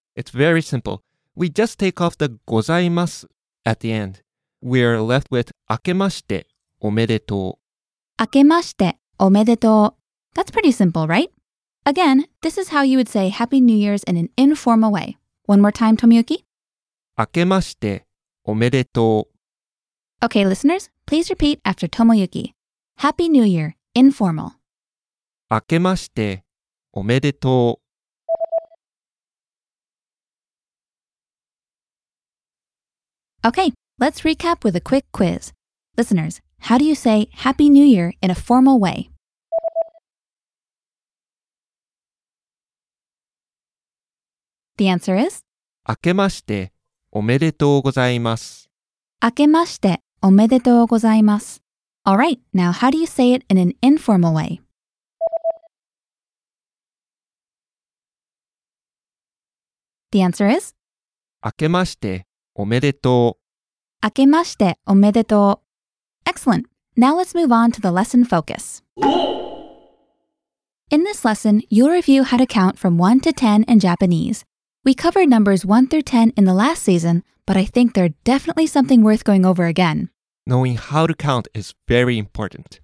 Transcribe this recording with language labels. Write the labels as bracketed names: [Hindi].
[English] It's very simple. We just take off the ございます at the end. We're left with [Japanese] 明けましておめでとう。明けましておめでとう。 [English] That's pretty simple, right? Again, this is how you would say Happy New Year's in an informal way. One more time, Tomoyuki. [Japanese] 明けましておめでとう。 [English] Okay, listeners, please repeat after Tomoyuki. Happy New Year, informal. [Japanese] 明けましておめでとう。 [English] Okay, let's recap with a quick quiz. Listeners, how do you say Happy New Year in a formal way? The answer is [Japanese] 明けましておめでとうございます。明けましておめでとうございます。 [English] All right, now how do you say it in an informal way? The answer is [Japanese] 明けましておめでとう。明けましておめでとう。 [English] Excellent. Now let's move on to the lesson focus. In this lesson, you'll review how to count from 1 to 10 in Japanese. We covered numbers 1 through 10 in the last season, but I think they're definitely something worth going over again. Knowing how to count is very important.